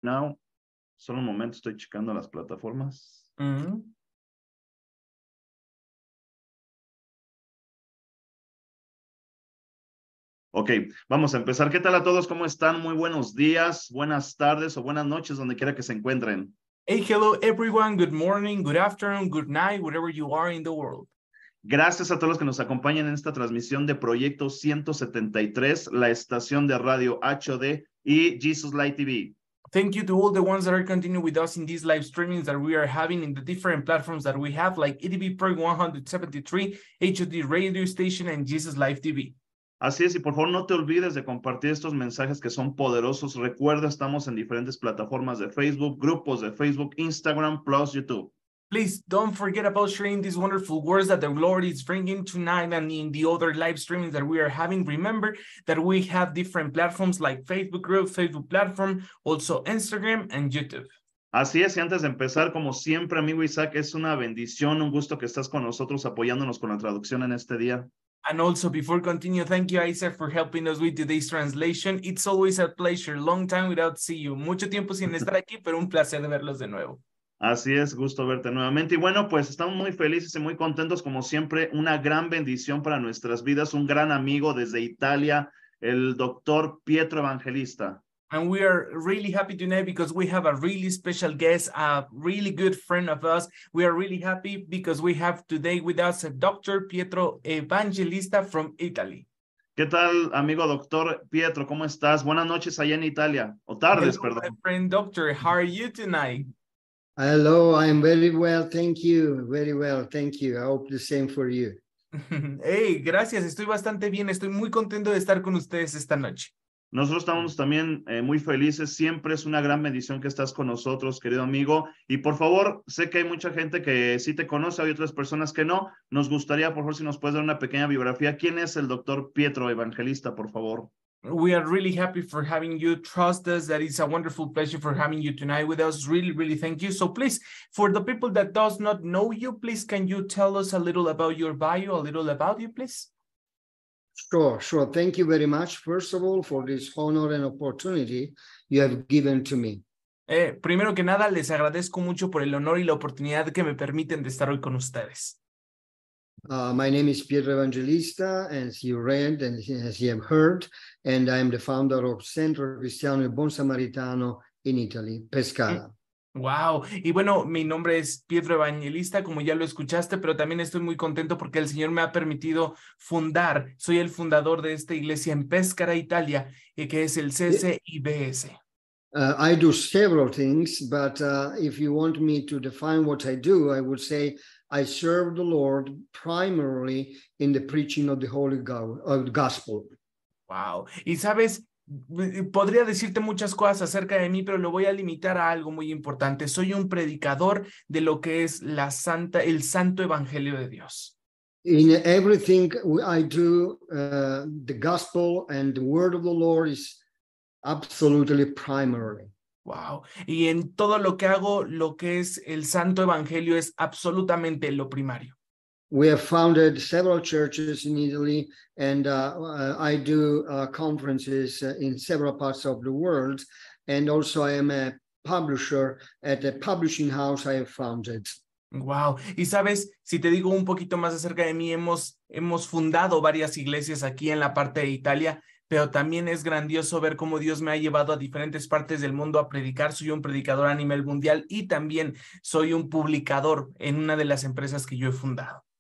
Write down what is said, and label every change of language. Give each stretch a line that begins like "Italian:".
Spanish: Now, solo un momento, estoy checando las plataformas. Ok, vamos a empezar. ¿Qué tal a todos? ¿Cómo están? Muy buenos días, buenas tardes o buenas noches, donde quiera que se encuentren.
English: Hey, hello everyone. Good morning, good afternoon, good night, wherever you are in the world.
Spanish: Gracias a todos los que nos acompañan en esta transmisión de Proyecto 173, la estación de radio HD y Jesus Light TV.
English: Thank you to all the ones that are continuing with us in these live streamings that we are having in the different platforms that we have, like EDB Pro 173, HD Radio Station, and Jesus Life TV.
Spanish: Así es, y por favor no te olvides de compartir estos mensajes que son poderosos. Recuerda, estamos en diferentes plataformas de Facebook, grupos de Facebook, Instagram, plus YouTube.
English: Please don't forget about sharing these wonderful words that the Lord is bringing tonight and in the other live streamings that we are having. Remember that we have different platforms like Facebook group, Facebook platform, also Instagram and YouTube.
Spanish: Así es, y antes de empezar, como siempre, amigo Isaac, es una bendición, un gusto que estás con nosotros apoyándonos con la traducción en este día.
English: And also before continue, thank you, Isaac, for helping us with today's translation. It's always a pleasure. Long time without see you.
Spanish: Mucho tiempo sin estar aquí, pero un placer verlos de nuevo. Así es, gusto verte nuevamente. Y bueno, pues estamos muy felices y muy contentos, como siempre. Una gran bendición para nuestras vidas. Un gran amigo desde Italia, el doctor Pietro Evangelista.
English: And we are really happy tonight because we have a really special guest, a really good friend of us. We are really happy because we have today with us Dr. Pietro Evangelista from Italy.
Spanish: ¿Qué tal, amigo doctor Pietro? ¿Cómo estás? Buenas noches allá en Italia. O tardes,
English: hello,
Spanish: perdón.
English: My friend doctor, how are you tonight? Hello, I'm very well, thank you. Very well, thank you. I hope the same for you.
Spanish: Hey, gracias. Estoy bastante bien. Estoy muy contento de estar con ustedes esta noche. Nosotros estamos también muy felices. Siempre es una gran bendición que estás con nosotros, querido amigo. Y por favor, sé que hay mucha gente que sí te conoce, hay otras personas que no. Nos gustaría, por favor, si nos puedes dar una pequeña biografía. ¿Quién es el doctor Pietro Evangelista, por favor?
English: We are really happy for having you. Trust us that it's a wonderful pleasure for having you tonight with us. Really, really thank you. So please, for the people that does not know you, please, can you tell us a little about your bio, a little about you, please? Sure. Thank you very much, first of all, for this honor and opportunity you have given to me.
Spanish: Primero que nada, les agradezco mucho por el honor y la oportunidad que me permiten de estar hoy con ustedes.
English: My name is Pietro Evangelista, as you read and as you have heard, and I am the founder of Centro Cristiano y Buon Samaritano in Italy, Pescara. Wow.
Spanish: Y bueno, mi nombre es Pietro Evangelista, como ya lo escuchaste, pero también estoy muy contento porque el Señor me ha permitido fundar. Soy el fundador de esta iglesia en Pescara, Italia, y que es el CCIBS.
English: I do several things, but if you want me to define what I do, I would say I serve the Lord primarily in the preaching of the Holy Gospel. Wow.
Spanish: Y sabes, podría decirte muchas cosas acerca de mí, pero lo voy a limitar a algo muy importante. Soy un predicador de lo que es la santa, el santo evangelio de Dios.
English: In everything I do, the gospel and the word of the Lord is absolutely primary. Wow.
Spanish: Y en todo lo que hago, lo que es el santo evangelio es absolutamente lo primario.
English: We have founded several churches in Italy, and I do conferences in several parts of the world, and also I am a publisher at a publishing house I have founded. Wow.
Spanish: Y sabes, si te digo un poquito más acerca de mí, hemos fundado varias iglesias aquí en la parte de Italia, pero también es grandioso ver cómo Dios me ha llevado a diferentes partes del mundo a predicar. Soy un predicador a nivel mundial y también soy un publicador en una de las empresas que yo he fundado.